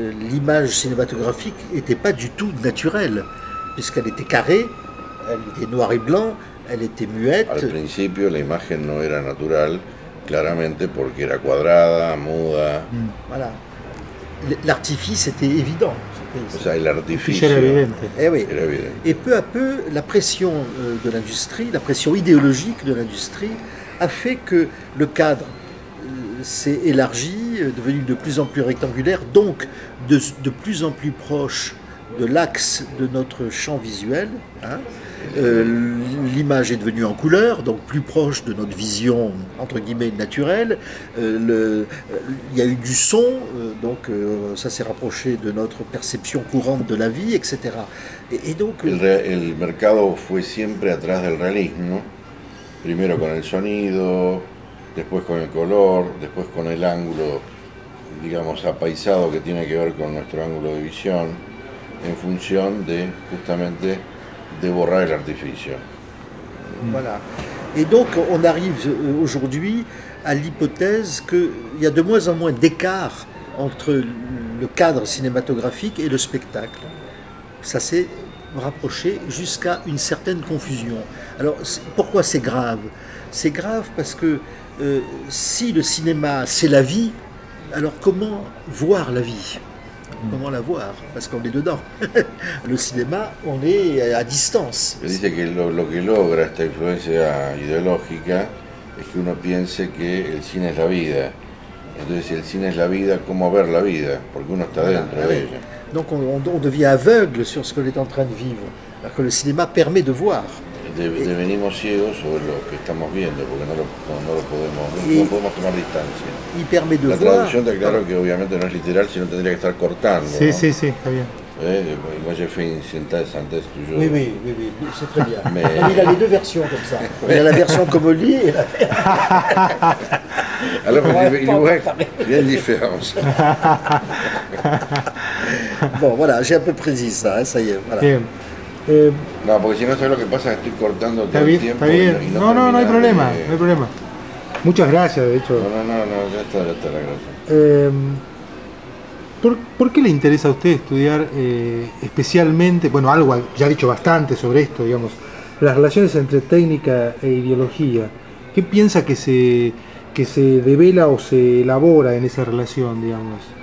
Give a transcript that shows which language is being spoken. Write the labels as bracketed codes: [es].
[fr] l'image cinématographique n'était pas du tout naturelle, puisqu'elle était carrée, elle était noire et blanc, elle était muette. [es] Al principio, la imagen no era natural. Claramente, porque era cuadrada, muda. [fr] Voilà. L'artifice était évident. L'artifice [es] era evidente. [fr] Et peu à peu, la pression de l'industrie, la pression idéologique de l'industrie, a fait que le cadre s'est élargi, devenu de plus en plus rectangulaire, donc de plus en plus proche de l'axe de notre champ visuel. Hein. L'image est devenue en couleur, donc plus proche de notre vision, entre guillemets, naturelle. Il y a eu du son, ça s'est rapproché de notre perception courante de la vie, etc. [es] El mercado fue siempre atrás del realismo, primero con el sonido, después con el color, después con el ángulo, digamos, apaisado que tiene que ver con nuestro ángulo de visión, en función de, justamente, de borrar el artificio. [fr] Voilà. Et donc, on arrive aujourd'hui à l'hypothèse qu'il y a de moins en moins d'écart entre le cadre cinématographique et le spectacle. Ça s'est rapproché jusqu'à une certaine confusion. Alors, pourquoi c'est grave? C'est grave parce que si le cinéma, c'est la vie, alors comment voir la vie? Comment la voir? Parce qu'on est dedans. Le cinéma, on est à distance. Il dit que ce que [es] logra [fr] cette influence idéologique, c'est [es] que uno piense [fr] que le cinéma est la vie. [es] Entonces, si el cine es la vida, ¿cómo ver la vida? Porque uno está dentro de ella. [fr] Donc on devient aveugle sur ce qu'on est en train de vivre, alors que le cinéma permet de voir. [es] Devenimos ciegos sobre lo que estamos viendo, porque no podemos tomar distancia. [fr] Il permet de [es] voir. La traducción está claro que obviamente no es literal, sino tendría que estar cortando. Sí, sí, sí, está bien. [fr] Moi j'ai fait une synthèse en test toujours. Oui, c'est très bien. Mais il a les deux versions comme ça. Il y a la version comme on lit et la... Alors, il y a une différence. Bon, voilà, j'ai à peu près dit ça, hein, ça y est. Voilà. Non, parce que sinon, c'est ce qui se passe, je suis cortant tout le temps. [es] Está bien. [fr] Non, il n'y a pas de problème. [es] Muchas gracias, de hecho. Non, ya está la gracia. ¿Por qué le interesa a usted estudiar especialmente, bueno, algo ya ha dicho bastante sobre esto, digamos, las relaciones entre técnica e ideología? ¿Qué piensa que se devela o se elabora en esa relación, digamos?